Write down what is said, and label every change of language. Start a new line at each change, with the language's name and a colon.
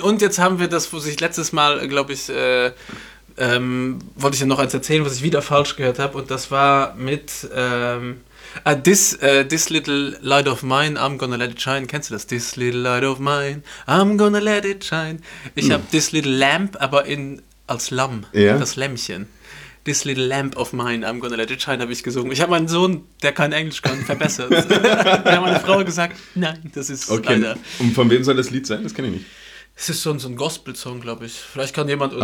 German: Und jetzt haben wir das, wo sich letztes Mal, glaube ich... wollte ich dir noch eins erzählen, was ich wieder falsch gehört habe, und das war mit This Little Light of Mine, I'm Gonna Let It Shine. Kennst du das?
English: This Little Light of Mine, I'm Gonna Let It Shine.
German: Ich habe This Little Lamp, aber als Lamm, das Lämmchen. This Little Lamp of Mine, I'm Gonna Let It Shine, habe ich gesungen. Ich habe meinen Sohn, der kein Englisch kann, verbessert. Ich habe meine Frau gesagt, nein, das ist okay. Leider. Und von wem soll das Lied sein? Das kenne ich nicht. Es ist so ein Gospel-Song, glaube ich. Vielleicht kann jemand uns...